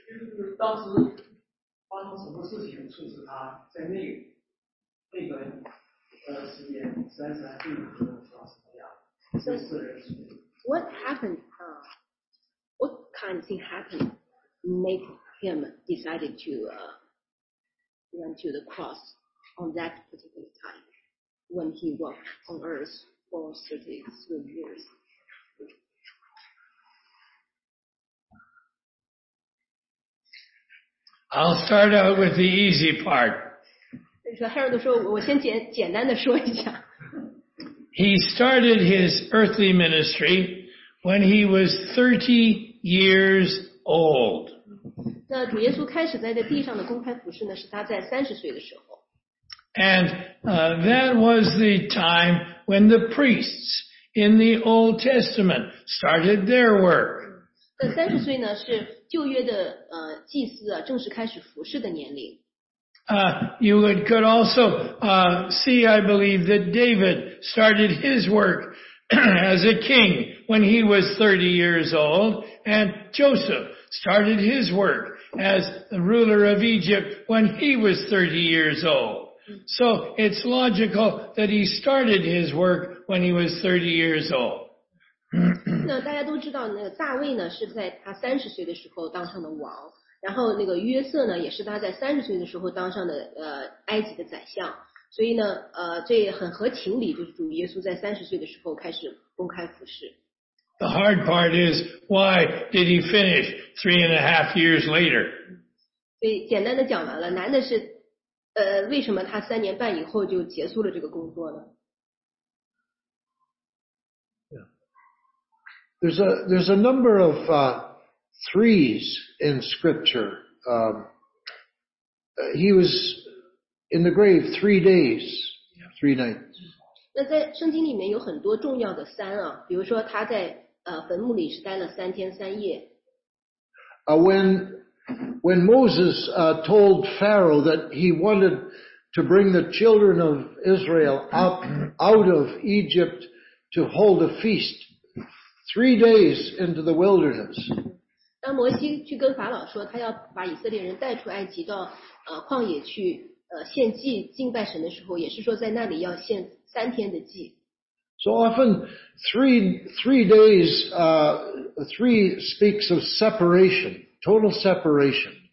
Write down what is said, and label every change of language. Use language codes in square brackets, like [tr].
[zh] 就是当时发生什么事情促使他在那个时间33岁的时候上十字架？三十人数。 [en] What happened? What kind of thing happened? Make him decided to run to the cross on that particular time when he walked on earth for 33 years. I'll start out with the easy part. [zh] Harold 说，我先简单的说一下。 [en] He started his earthly ministry when he was 30 years old. [zh] 那主耶稣开始在这地上的公开服事呢，是他在30岁的时候。 [en] And that was the time when the priests in the Old Testament started their work. [zh] 那30岁呢，是旧约的祭司啊正式开始服事的年龄。 [en] You could also see, I believe, that David started his work as a king when he was 30 years old, and Joseph started his work as the ruler of Egypt when he was 30 years old. So it's logical that he started his work when he was 30 years old. [zh] 那大家都知道，那个大卫呢，是在他30岁的时候当上的王。然后那个约瑟呢，也是他在30岁的时候当上的埃及的宰相，所以呢这很合情理，就是主耶稣在30岁的时候开始公开服事。 [en] The hard part is why did he finish 3.5 years later？ [zh] 所以简单的讲完了，难的是为什么他3年半以后就结束了这个工作呢？ [en] There's a number of threes in scripture. He was in the grave 3 days, 3 nights. [zh] 那在圣经里面有很多重要的三啊，比如说他在坟墓里是待了3天3夜。 [en] When Moses told Pharaoh that he wanted to bring the children of Israel up out of Egypt to hold a feast 3 days into the wilderness. [zh] 当摩西去跟法老说，他要把以色列人带出埃及到旷野去献祭敬拜神的时候，也是说在那里要献3天的祭。 [en] So often three days 3 speaks of separation, total separation.